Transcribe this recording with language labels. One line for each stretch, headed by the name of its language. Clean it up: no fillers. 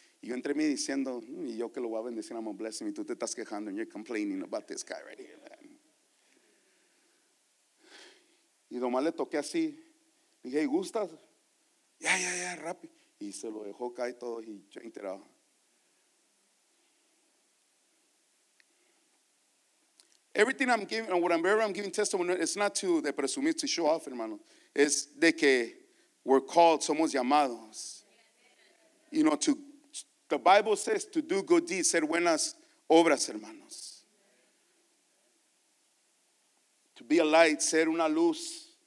Spanish: Y yo entre mí diciendo, y yo que lo voy a bendecir,
English: I'm a blessing,
Spanish: y tú te estás quejando,
English: and you're complaining about this guy right here, man.
Spanish: Y nomás le toqué así, dije, hey, ¿gustas? Ya, ya, ya, rápido. Y se lo dejó caer todo y yo enterado.
English: Everything I'm giving, whatever I'm giving testimony, it's not to
Spanish: de presumir,
English: to show off, hermano.
Spanish: Es de que
English: we're called,
Spanish: somos llamados.
English: You know, to the Bible says to do good deeds,
Spanish: ser buenas obras, hermanos.
English: To be a light,
Spanish: ser una luz.